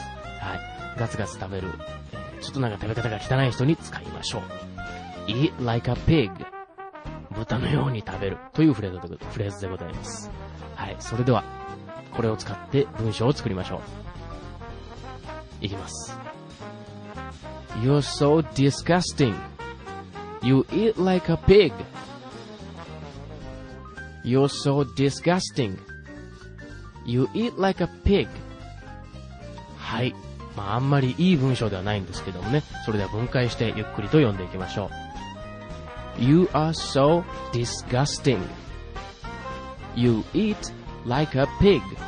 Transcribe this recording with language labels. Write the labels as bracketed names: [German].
[Japanese] はい、ガツガツ食べる、ちょっとなんか食べ方が汚い人に使いましょう。 [English] Eat like a pig、 [Japanese] 豚のように食べるというフレーズでございます。はい、それではこれを使って文章を作りましょう。いきます。 [English] You're so disgusting, You eat like a pig, You're so disgusting, You eat like a pig。 [Japanese] はい、まああんまりいい文章ではないんですけどもね。それでは分解してゆっくりと読んでいきましょう。 [English] You are so disgusting. You eat like a pig.